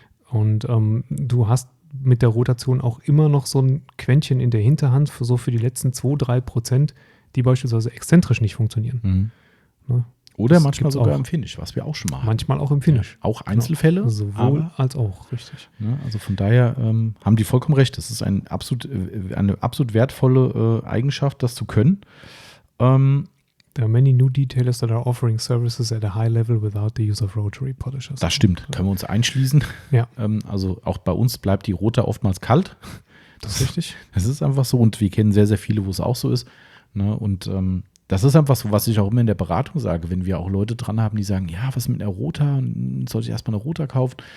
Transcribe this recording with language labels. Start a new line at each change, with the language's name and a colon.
German: Und du hast mit der Rotation auch immer noch so ein Quäntchen in der Hinterhand, für so für die letzten 2-3%, die beispielsweise exzentrisch nicht funktionieren. Mhm. Ne? Oder das manchmal sogar auch im Finish, was wir auch schon machen. Manchmal auch im Finish. Ja, auch Einzelfälle. Genau. Sowohl als auch, richtig. Ne? Also von daher haben die vollkommen recht. Das ist eine absolut wertvolle Eigenschaft, das zu können.
English: There are many new detailers that are offering services at a high level without the use of rotary polishers.
German: Das stimmt, können wir uns einschließen. Ja. Also auch bei uns bleibt die Rota oftmals kalt. Das ist richtig. Das ist einfach so und wir kennen sehr, sehr viele, wo es auch so ist. Und das ist einfach so, was ich auch immer in der Beratung sage, wenn wir auch Leute dran haben, die sagen, ja, was mit einer Rota, soll ich erstmal eine Rota kaufen?